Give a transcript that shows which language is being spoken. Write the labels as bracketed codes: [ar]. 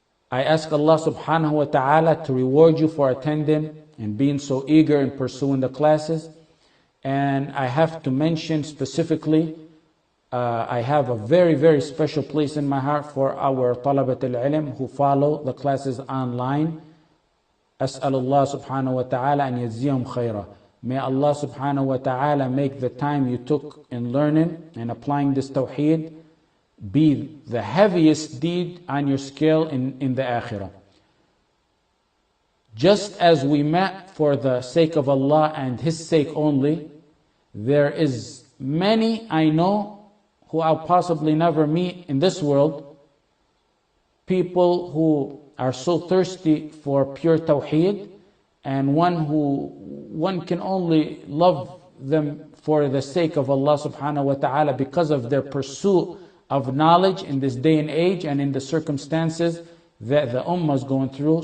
[en] I ask Allah subhanahu wa ta'ala to reward you for attending and being so eager in pursuing the classes. And I have to mention specifically, I have a very, very special place in my heart for our talabat al-ilm who follow the classes online. [ar] أسأل الله سبحانه وتعالى أن يجزيهم خيرا. [en] May Allah subhanahu wa ta'ala make the time you took in learning and applying this tawheed be the heaviest deed on your scale in the akhirah. Just as we met for the sake of Allah and His sake only, there is many I know who I'll possibly never meet in this world, people who are so thirsty for pure tawheed, and one who one can only love them for the sake of Allah subhanahu wa ta'ala because of their pursuit of knowledge in this day and age and in the circumstances that the ummah is going through.